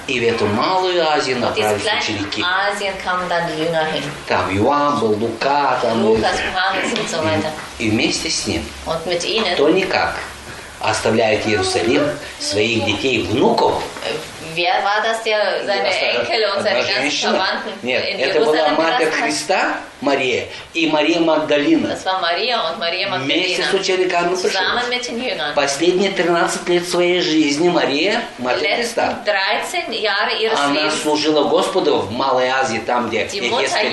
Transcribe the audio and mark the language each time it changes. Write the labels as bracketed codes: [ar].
[ru] и в эту Малую Азию направились ученики. [de] Asien kamen dann die Jünger hin. [ru] Там Иоанн был, Лука, там [de] Lukas, Johannes und so weiter. [ru] И вместе с ним, [de] und mit ihnen, [ru] кто никак, оставляет Иерусалим, своих детей, внуков. [de] Wer war das, der seine Enkel und seine ganzen Verwandten in Jerusalem gelassen hat? [ru] Это была Матерь Христа, Мария, и Мария Магдалина. [de] Das war Maria und Maria Magdalena. [ru] Вместе с учениками [de] zusammen mit den Jüngern. [ru] Последние 13 лет своей жизни Мария, Матерь Христа. [de] 13 Jahre ihres Lebens. [ru] Она служила Господу в Малой Азии, там, где Египетская